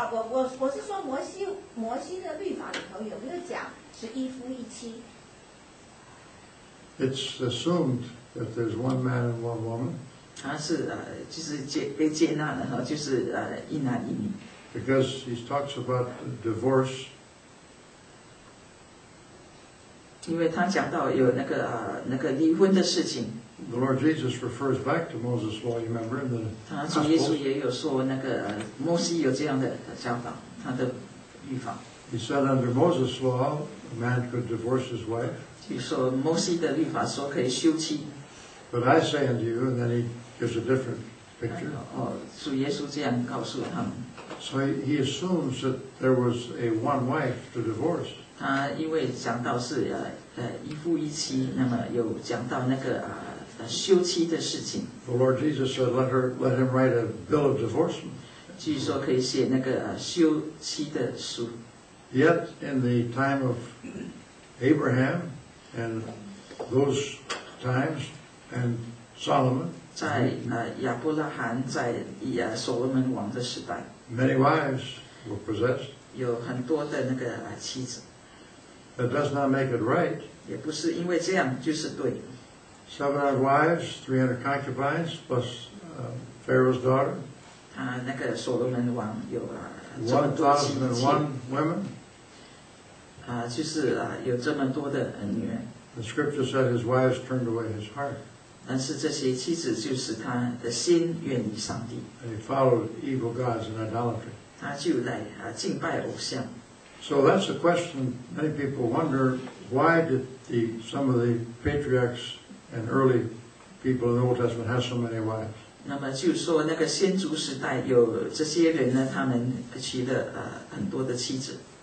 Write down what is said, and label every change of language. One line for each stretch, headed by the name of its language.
Chinese: 我是说摩西的律法里头有没有讲是一夫一妻
English: ？It's assumed that there's one man and one woman.
Chinese: 他是就是被接纳了哈，就是一男一女。
English: Because he talks about divorce.
Chinese: 因为他讲到有那个离婚的事情。
English: The Lord Jesus refers back to Moses' law, you remember, in the Gospels. He said under Moses' law, a man could divorce his wife. But I say unto you, and then he gives a different picture. So he assumes that there was a one wife to divorce.
Chinese: 他因为讲到是一夫一妻，那么有讲到那个休妻的事情。
English: The Lord Jesus said, let him write a bill of divorce.
Chinese: 据说可以写那个休妻的书。
English: Yet in the time of Abraham and those times and Solomon,
Chinese: 在亚伯拉罕在所罗门王的时代
English: ，many wives were possessed.
Chinese: 有很多的那个妻子。
English: That does not make it right.
Chinese: 也不是因为这样就是对。
English: 700 wives, 300 concubines, plus Pharaoh's daughter.
Chinese: 他那个所罗门王有
English: 1001 women.
Chinese: 就是有这么多的女人。
English: The scripture said his wives turned away his heart.
Chinese: 但是这些妻子就是他的心远离上帝。
English: And he followed evil gods and idolatry.
Chinese: 他就来敬拜偶像。
English: So that's a question many people wonder, why did some of the patriarchs and early people in the Old Testament have so many wives?
Chinese: 那么就说那个先祖时代有这些人呢，他们娶了很多的妻子。